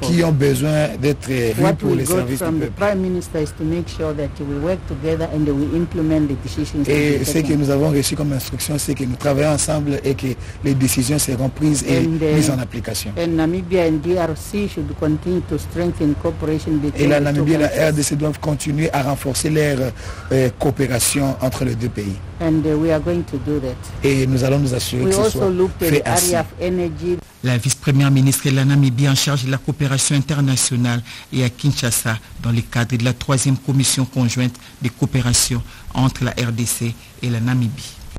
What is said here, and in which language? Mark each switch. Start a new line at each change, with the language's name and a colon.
French: Qui ont besoin d'être vus pour les services du peuple.
English: Is to make sure that we work together and we implement the decisions.
French: Et ce que nous avons reçu comme instruction, c'est que nous travaillons ensemble et que les décisions seront prises et mises en application.
English: And Namibia and DRC should continue to strengthen cooperation between
French: et la Namibie et la RDC doivent continuer à renforcer leur coopération entre les deux pays.
English: And we are going to do that.
French: Et nous allons nous assurer que ce soit fait ainsi. La vice-première ministre de la Namibie en charge de la coopération internationale est à Kinshasa dans le cadre de la troisième commission conjointe de coopération entre la RDC et la Namibie.